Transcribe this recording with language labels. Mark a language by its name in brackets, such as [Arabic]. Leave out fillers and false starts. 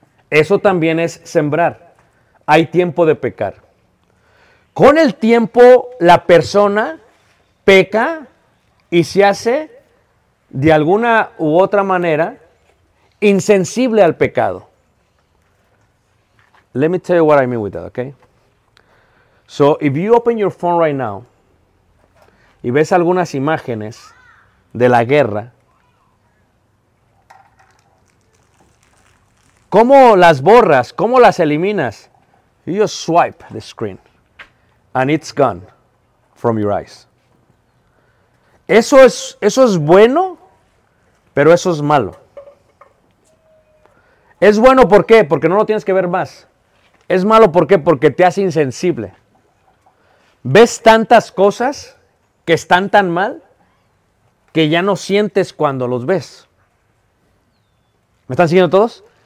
[Spanish] Eso también es sembrar. Hay tiempo de pecar. Con el tiempo, la persona peca y se hace, de alguna u otra manera, insensible al pecado. [English] Let me tell you what I mean with that, okay? So, if you open your phone right now [Spanish] y ves algunas imágenes de la guerra, ¿cómo las borras? ¿Cómo las eliminas? [English] You just swipe the screen and it's gone from your eyes. [Spanish] Eso es bueno, pero eso es malo. Es bueno, ¿por qué? Porque no lo tienes que ver más. Es malo, ¿por qué? Porque te hace insensible. Ves tantas cosas que están tan mal que ya no sientes cuando los ves. ¿Me están siguiendo todos?